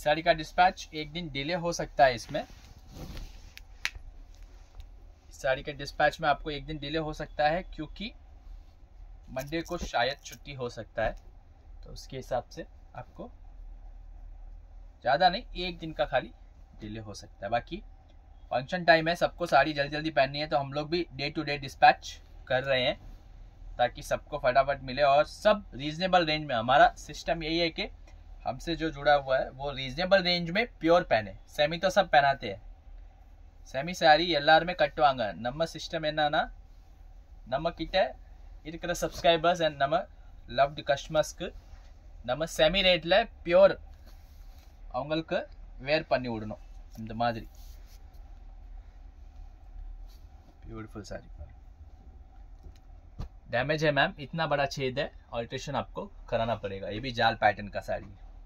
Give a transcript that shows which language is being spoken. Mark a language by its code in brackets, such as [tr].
[hi] इस साड़ी का डिस्पैच एक दिन डिले हो सकता है इसमें, इस साड़ी के डिस्पैच में आपको एक दिन डिले हो सकता है क्योंकि मंडे को शायद छुट्टी हो सकता है, तो उसके हिसाब से आपको ज्यादा नहीं एक दिन का खाली डिले हो सकता है, बाकी फंक्शन टाइम है, सबको साड़ी जल्दी जल्दी पहननी है, तो हम लोग भी डे टू डे डिस्पैच कर रहे हैं ताकि सबको फटाफट मिले और सब रीजनेबल रेंज में। हमारा सिस्टम यही है कि हमसे जो जुड़ा हुआ है वो रीजनेबल रेंज में प्योर पहने, सेमी तो सब पहनाते हैं, सेमी साड़ी एलआर में कटवाएंगे। [ta] नम सिस्टम என்னன்னா நம்ம கிட்ட இருக்கிற சப்ஸ்கிரைபர்ஸ் அண்ட் நம்ம லவ்டு கஸ்டமர்ஸ்க்கு நம்ம செமி ரேட்டில் பியோர் அவங்களுக்கு வேர் பண்ணி விடணும். இந்த மாதிரி [hi] ब्यूटीफुल साड़ी, डैमेज है मैम, इतना बड़ा छेद है, ऑल्ट्रेशन आपको कराना पड़ेगा, ये भी जाल पैटर्न का साड़ी है।